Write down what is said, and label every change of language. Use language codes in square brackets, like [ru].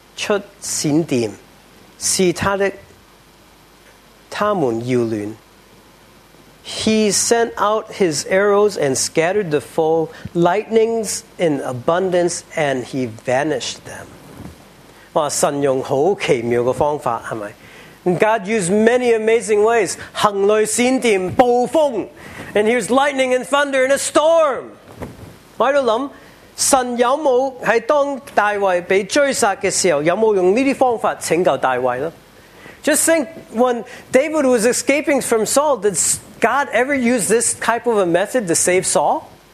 [zh] 多多发出闪电, 试他的, 他们要乱, [en] He sent out his arrows and scattered the foe, lightnings in abundance, and he vanished them. [zh] 哇, 神用好奇妙的方法, 是不是? [en] And God used many amazing ways. [zh] 行雷闪电, 暴风, [en] and here's lightning and thunder in a storm. [zh] 我在想, 神有没有在当大卫被追杀的时候有没有用这些方法拯救大卫呢? [en] Just think, when David was escaping from Saul, did God ever use this type of a method to save Saul?